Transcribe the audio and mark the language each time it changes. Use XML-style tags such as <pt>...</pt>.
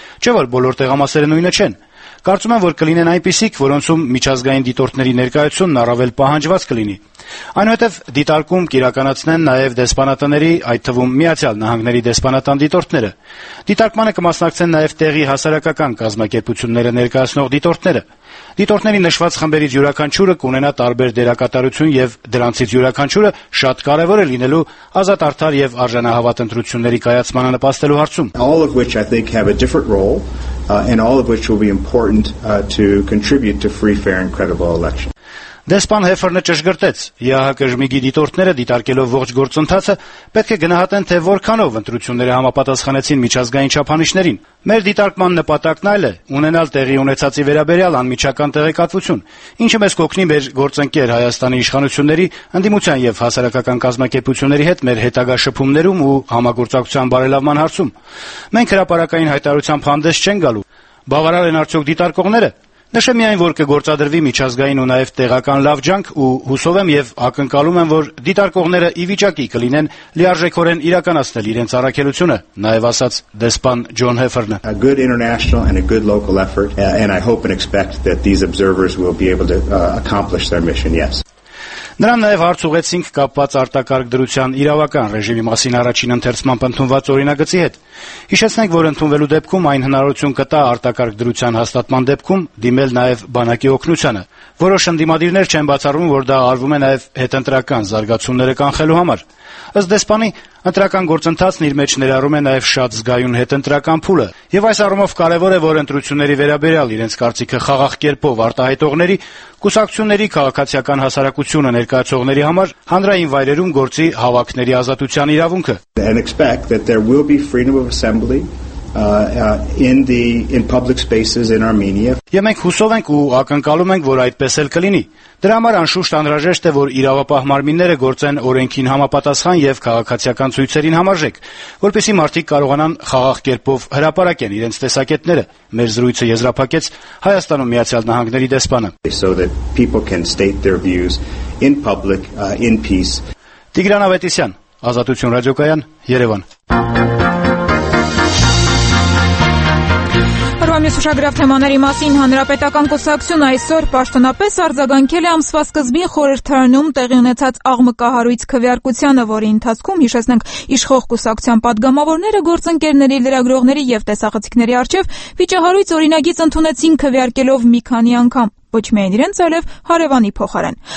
<hy>Չէ՞ որ բոլոր տեղամասերը նույնը չեն»։ Կարծում եմ, որ կլինեն այնպիսիք, որոնցում միջազգային դիտորդների ներկայությունն առավել պահանջված կլինի։ Այնուհետև դիտարկում կիրականացնեն նաև դեսպանատների, այդ թվում Միացյալ Նահանգների դեսպանատան դիտորդները։ Դիտարկմանը կմասնակցեն նաև տեղի հասարակական կազմակերպությունները ներկայացնող դիտորդները։ Դիտորդների նշված խմբերից յուրաքանչյուրը կունենա տարբեր դերակատարություն և դրանցից յուրաքանչյուրը շատ կարևոր է լինելու ազատ արդար և արժանահավատընտրությունների կայացմանը նպաստելու հարցում։</hy> <en>All of which I think have a different role, and all of which will be important to contribute to free, fair and credible elections.</en> <hy>Դեսպան Հեֆերնը ճշգրտեց. ԵԱՀԿ ժմիգի դիտորդները, դիտարկելով ողջ գործընթացը, պետք է գնահատեն, թե որքանով ընտրությունները համապատասխանեցին միջազգային չափանիշներին։ Մեր դիտարկման նպատակն այլ է՝ ունենալ տեղի ունեցածի վերաբերյալ անմիջական տեղեկատվություն, ինչը մեզ կօգնի մեր գործընկեր Հայաստանի իշխանությունների, ընդդիմության և հասարակական կազմակերպությունների հետ մեր հետագա շփումներում ու համագործակցության բարելավման հարցում։ Մենք հրապարակային հայտարարությամբ հանդես չենք գալու։ Բավարար են արդյոք դիտարկողները։ Նշեմ միայն, որ կգործադրվի միջազգային ու նաև տեղական լավջանք ու հուսով եմ և ակնկալում եմ, որ դիտարկողները ի վիճակի կլինեն լիարժեքորեն իրականացնել իրենց առաքելությունը, նաև ասաց դեսպան Ջոն Հեֆերնը.</hy> <en>A good international and a good local effort, and I hope and expect that these observers will be able to accomplish their mission, yes.</en> <hy>Նրան նաև հարց ուղեցինք կապված արտակարգ դրության իրավական ռեժիմի մասին առաջին ընթերցմամբ ընդունված օրինագծի հետ։ Հիշեցնենք, որ ընդունվելու դեպքում այն հնարություն կտա արտակարգ դրության հաստատման դեպքում դիմել նաև բանակի օգնությանը։ Որոշ ընդդիմադիրներ չեն բացառում, որ դա արվում է նաև հետընտրական զարգացումները կանխելու համար։ Ըստ դեսպանի, ընտրական գործընթացն իր մեջ ներառում է նաև շատ զգայուն հետընտրական փուլը, և այս առումով կարևոր է, որ ընտրությունների վերաբերյալ իրենց կարծիքը խաղաղ կերպով արտահայտողների, կուսակցությունների, քաղաքացիական հասարակությունը ներկայացողների համար հանրային վայրերում գործի հավաքների ազատության իրավունքը։</hy> <en>And expect that there will be freedom of assembly in public spaces in Armenia.</en> <hy>Եմ ենք հուսով ենք ու ակնկալում ենք, որ այդպես էլ կլինի։ Դրա համար անշուշտ անհրաժեշտ է, որ իրավապահ մարմինները գործեն օրենքին համապատասխան և քաղաքացիական ցույցերին համաժեք, որպեսզի մարդիկ կարողանան խաղաղ կերպով հրապարակեն իրենց տեսակետները։ Մեր զրույցը եզրափակեց Հայաստանում Միացյալ Նահանգների դեսպանը։</hy> <en>So that people can state their views in public in peace.</en> <hy>Տիգրան Ավետիսյան, Ազատություն ռադիոկայան, Երևան։ Ամյուս ուշագրավ թեմաների մասին Հանրապետական կուսակցություն այսօր պաշտոնապես արձագանքել է ամսվա սկզբին խորհրդարանում տեղի ունեցած աղմկահարույց քվեարկությանը, որի ընթացքում, հիշեցնենք, իշխող կուսակցության պատգամավորները գործընկերների, լրագրողների և տեսախցիկների առջև վիճահարույց օրինագիծ ընդունեցին քվեարկելով մի քանի անգամ, ոչ միայն իրենց, այլև հարևանի փոխարեն։</hy>